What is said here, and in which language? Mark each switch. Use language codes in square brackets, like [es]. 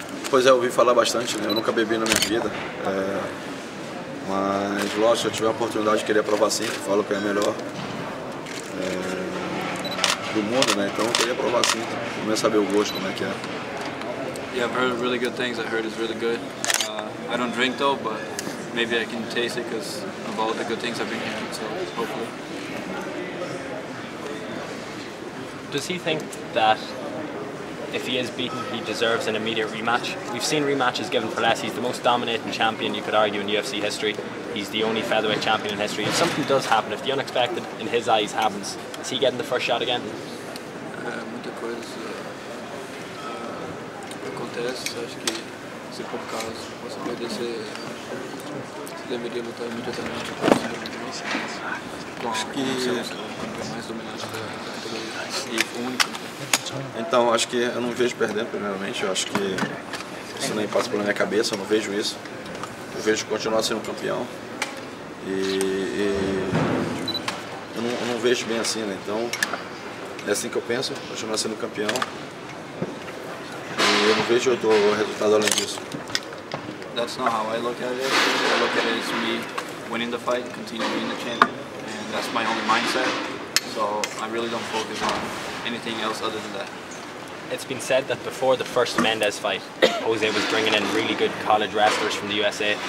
[pt] Pois é, eu ouvi falar bastante, né? Eu nunca bebi na minha vida, mas lógico, se eu tiver a oportunidade de querer provar sim, falo que é a melhor do mundo, né? Então eu queria provar sim, pelo menos saber o gosto, como é que é. [en] Yeah, I've heard really good things, I heard it's really good. I don't drink though, but maybe I can taste it because of all the good things I've been hearing, so hopefully. Does he think that if he is beaten, he deserves an immediate rematch? We've seen rematches given for less. He's the most dominating champion, you could argue, in UFC history. He's the only featherweight champion in history. If something does happen, if the unexpected, in his eyes, happens, is he getting the first shot again? [pt] Muita coisa acontece. Acho que se por caso você perdesse, você deveria lutar imediatamente para o segundo mês. Acho que mais dominante da categoria e único. Então, acho que eu não vejo perdendo, primeiramente. Eu acho que isso nem passa pela minha cabeça, eu não vejo isso. Eu vejo continuar sendo campeão. E eu não vejo bem assim, né? Então, é assim que eu penso, continuar sendo campeão. E eu não vejo outro resultado além disso. [en] That's not how I look at it. I look at it as me winning the fight, continuing to be the champion. And that's my only mindset. So I really don't focus on anything else other than that. It's been said that before the first Mendez fight, Jose was bringing in really good college wrestlers from the USA.